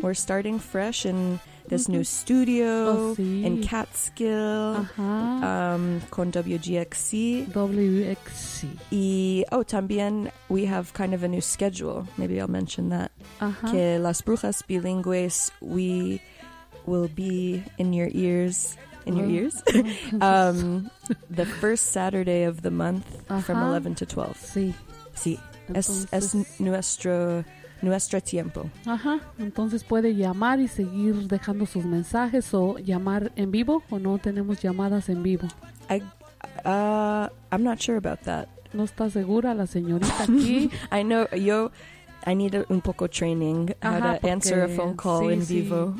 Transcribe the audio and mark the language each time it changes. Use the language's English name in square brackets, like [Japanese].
[English] We're starting fresh in this mm-hmm. new studio in Catskill [Spanish] con [English] WGXC. WXC. [Spanish] Y, oh, también [English] we have kind of a new schedule. Maybe I'll mention that. Uh-huh. [Spanish] Que las brujas bilingües, [English] we will be in your ears. In your ears, the first Saturday of the month from 11 to 12. [Spanish] Sí. Sí. Es nuestro tiempo. Ajá. Entonces puede llamar y seguir dejando sus mensajes o llamar en vivo o no tenemos llamadas en vivo. [English] I'm not sure about that. [Spanish] No está segura la señorita aquí. [English] I know. I need [Spanish] un poco [English] training how to answer a phone call in vivo.